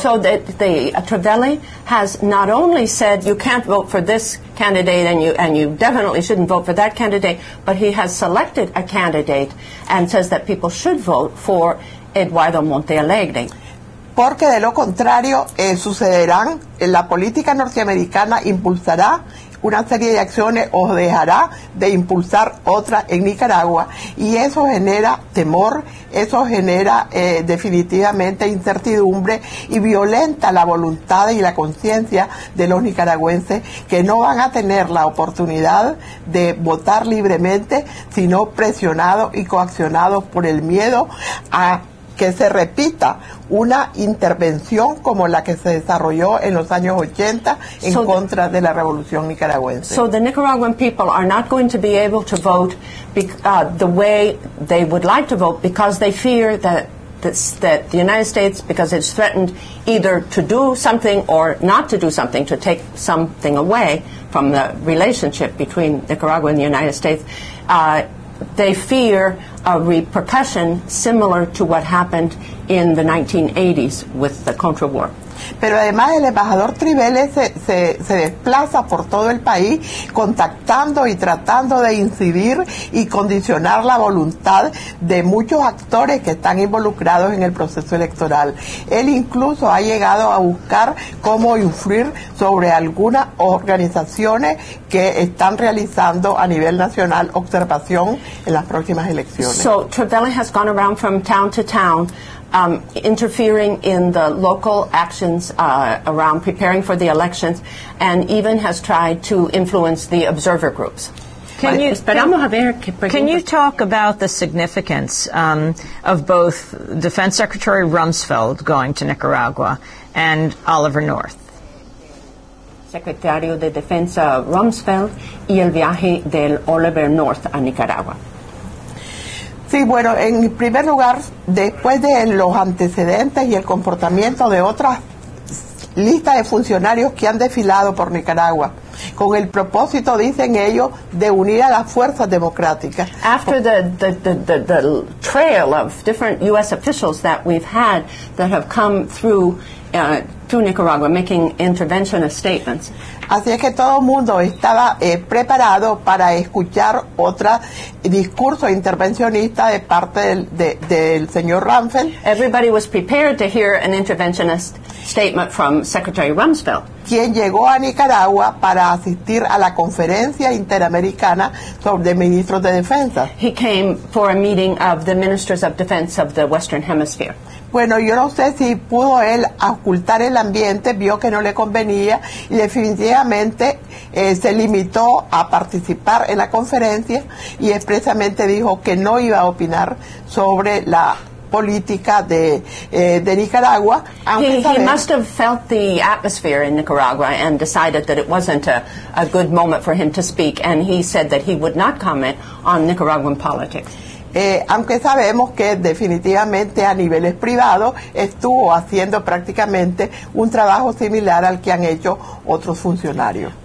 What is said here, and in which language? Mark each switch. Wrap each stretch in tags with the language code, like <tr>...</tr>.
<en>so the Trivelli has not only said you can't vote for this candidate and you definitely shouldn't vote for that candidate, but he has selected a candidate and says that people should vote for Eduardo Montialegre.</en> <es>Porque de lo contrario sucederán, la política norteamericana impulsará una serie de acciones o dejará de impulsar otra en Nicaragua, y eso genera temor, eso genera definitivamente incertidumbre y violenta la voluntad y la conciencia de los nicaragüenses, que no van a tener la oportunidad de votar libremente, sino presionados y coaccionados por el miedo a que se repita una intervención como la que se desarrolló en los años 80 en contra de la revolución nicaragüense.</es> <en>So the Nicaraguan people are not going to be able to vote the way they would like to vote because they fear that the United States, because it's threatened either to do something or not to do something, to take something away from the relationship between Nicaragua and the United States, they fear a repercussion similar to what happened in the 1980s with the Contra War.</en> <es>Pero además el embajador Trivelles se desplaza por todo el país contactando y tratando de incidir y condicionar la voluntad de muchos actores que están involucrados en el proceso electoral. Él incluso ha llegado a buscar cómo influir sobre algunas organizaciones que están realizando a nivel nacional observación en las próximas elecciones.</es> <en>So Trivelles has gone around from town to town, interfering in the local actions around preparing for the elections, and even has tried to influence the observer groups. Can you talk about the significance of both Defense Secretary Rumsfeld going to Nicaragua and Oliver North?</en> <es>Secretario de Defensa Rumsfeld y el viaje del Oliver North a Nicaragua. Sí, bueno, en primer lugar, después de los antecedentes y el comportamiento de otras listas de funcionarios que han desfilado por Nicaragua, con el propósito, dicen ellos, de unir a las fuerzas democráticas.</es> <en>After the trail of different U.S. officials that we've had that have come through to Nicaragua making interventionist statements.</en> <es>Así es que todo el mundo estaba preparado para escuchar otro discurso intervencionista de parte del señor Rumsfeld.</es> <en>Everybody was prepared to hear an interventionist statement from Secretary Rumsfeld,</en> <es>quien llegó a Nicaragua para asistir a la conferencia interamericana sobre de ministros de defensa.</es> <en>He came for a meeting of the ministers of defense of the Western Hemisphere.</en> <es>Bueno, yo no sé si pudo él ocultar el ambiente, vio que no le convenía y definitivamente se limitó a participar en la conferencia y expresamente dijo que no iba a opinar sobre la política de Nicaragua.</es> <en>He must have felt the atmosphere in Nicaragua and decided that it wasn't a good moment for him to speak, and he said that he would not comment on Nicaraguan politics.</en> <es>Aunque sabemos que definitivamente a niveles privados estuvo haciendo prácticamente un trabajo similar al que han hecho otros funcionarios.</es>